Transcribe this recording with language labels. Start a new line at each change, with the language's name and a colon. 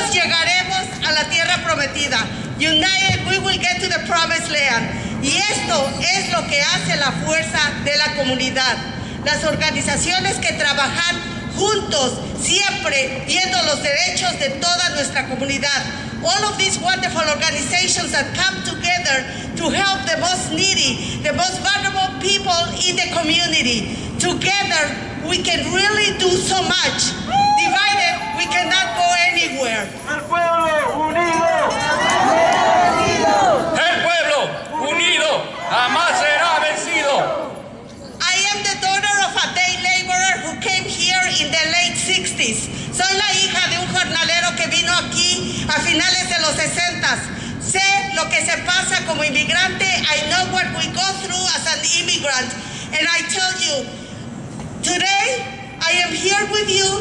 English: United, we will get to the promised land.
Spanish: Y esto es lo que hace la fuerza de la comunidad. Las organizaciones que trabajan juntos, siempre viendo los derechos de toda nuestra comunidad.
English: All of these wonderful organizations that come together to help the most needy, the most vulnerable people in the community. Together, we can really do so much. Divided, we cannot go anywhere.
Spanish: El pueblo unido. El pueblo unido jamás será vencido.
English: I am the daughter of a day laborer who came here in the late 60s.
Spanish: Soy la hija de un jornalero que vino aquí a finales de los 60s. Sé lo que se pasa como inmigrante.
English: I know what we go through as an immigrant. And I tell you, today I am here with you.